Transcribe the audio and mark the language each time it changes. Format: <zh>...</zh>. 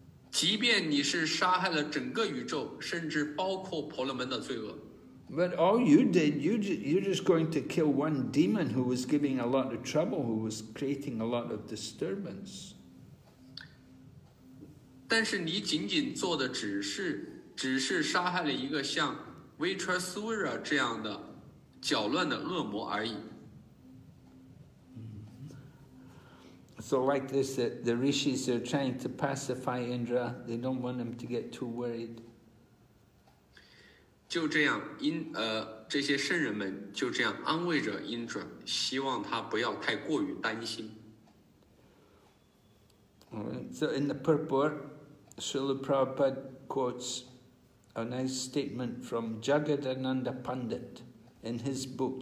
<zh>即便你是杀害了整个宇宙，甚至包括婆罗门的罪恶，</zh> <en>But all you did, you're just going to kill one demon who was giving a lot of trouble, who was creating a lot of disturbance.</en> <zh>但是你仅仅做的只是杀害了一个像 Vritasura 这样的搅乱的恶魔而已。</zh> <en>So like this, the rishis are trying to pacify Indra. They don't want him to get too worried.</en> <zh>就这样，这些圣人们就这样安慰着 Indra， 希望他不要太过于担心。</zh> <en>So in the purport. Srila Prabhupada quotes a nice statement from Jagadananda Pandit in his book.</en>